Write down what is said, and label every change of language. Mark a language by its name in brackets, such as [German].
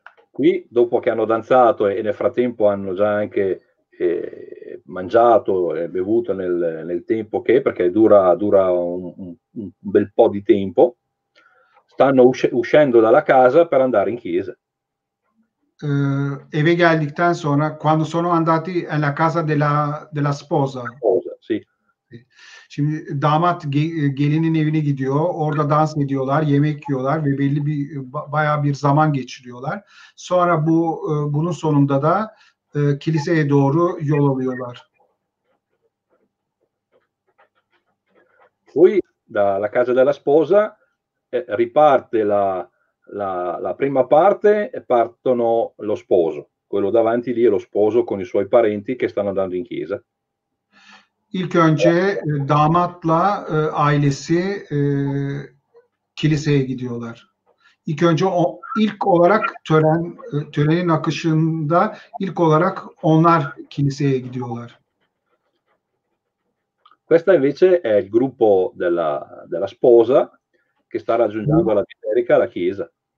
[Italian] Qui dopo che hanno danzato e nel frattempo hanno già anche mangiato e bevuto nel tempo che perché dura un bel po' di tempo, stanno uscendo dalla casa per andare in chiesa. [Turkish] Eve geldikten sonra [Italian] quando sono andati alla casa della sposa. Sì. [Turkish] Şimdi damat gelinin evine gidiyor. Orada dans ediyorlar, yemek yiyorlar ve belli bir bayağı bir zaman geçiriyorlar. Sonra bunun sonunda da kiliseye doğru yol alıyorlar. [Italian] Poi dalla casa della sposa riparte la prima parte e partono lo sposo, quello davanti lì è lo sposo con i suoi parenti che stanno andando in chiesa. [Turkish] İlk önce damatla ailesi kiliseye gidiyorlar. İlk önce ilk olarak törenin akışında ilk olarak onlar kiliseye gidiyorlar. [Italian] Questa invece è il gruppo della sposa che sta raggiungendo la biserica, la chiesa.